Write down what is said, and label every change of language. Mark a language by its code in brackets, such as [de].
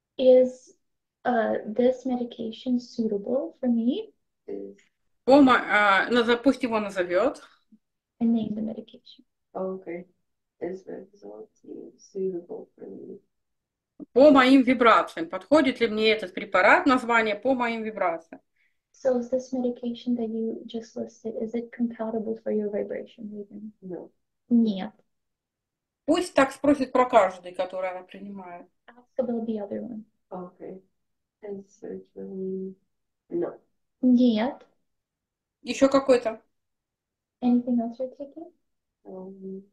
[en] Is this medication suitable for me? [ru] Пусть его назовет. [en] I name the medication. Okay. Is resulting suitable for me? [ru] По моим вибрациям. Подходит ли мне этот препарат, название по моим вибрациям? [en] So is this medication that you just listed, is it compatible for your vibration? Maybe? No. Нет. [ru] Пусть так спросит про каждый, который она принимает. [en] Ask about the other one. Okay. Is it really... No. [ru] Нет. Еще какой-то? [en] Anything else you're taking?